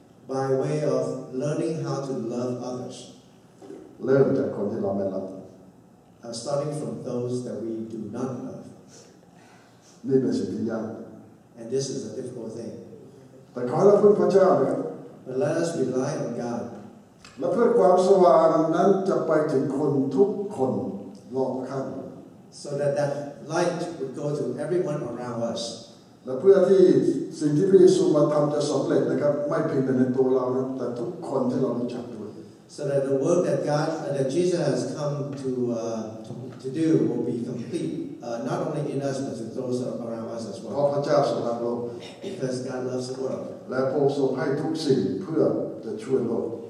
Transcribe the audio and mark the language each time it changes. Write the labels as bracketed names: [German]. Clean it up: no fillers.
[English] By way of learning how to love others. [Thai] เริ่มจากคนที่เราไม่รัก [English] Starting from those that we do not love. [Thai] นี่เป็นสิ่งที่ยาก [English] and this is a difficult thing [Thai] แต่ขอให้เราพึ่งพระเจ้าครับ [English] but let us rely on God [Thai] และเพื่อความสว่างนั้นจะไปถึงคนทุกคนรอบข้าง [English] so that light would go to everyone around us [Thai] และเพื่อที่สิ่งที่พระเยซูมาทำจะสำเร็จนะครับไม่เพียงแต่ในตัวเรานะแต่ทุกคนที่เรารู้จักด้วย [English] so that the work that God that Jesus has come to do will be complete not only in us but in those around us as well. [Thai] พระเจ้าทรงรักโลก [English] because God loves the world. [Thai] และพระองค์ทรงให้ทุกสิ่งเพื่อจะช่วยโลก